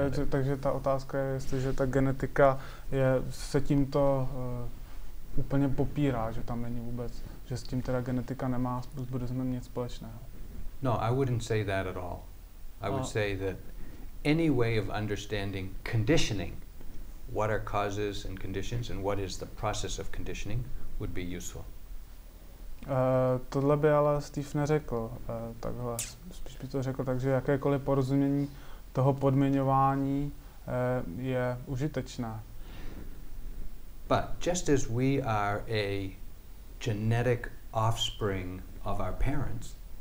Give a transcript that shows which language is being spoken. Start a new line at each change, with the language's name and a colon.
Czech: Takže ta otázka je, jestliže ta genetika je, se tímto úplně popírá, že tam není vůbec, že s tím teda genetika nemá s buddhismem nic společného.
English: No, I wouldn't say that at all. I would say that any way of understanding conditioning, what are causes and conditions and what is the process of conditioning, would be useful.
Czech: Tohle by ale Steve neřekl takhle. Spíš by to řekl tak, že jakékoliv porozumění toho podmiňování je užitečné.
English: But just as we are a genetic offspring of our parents,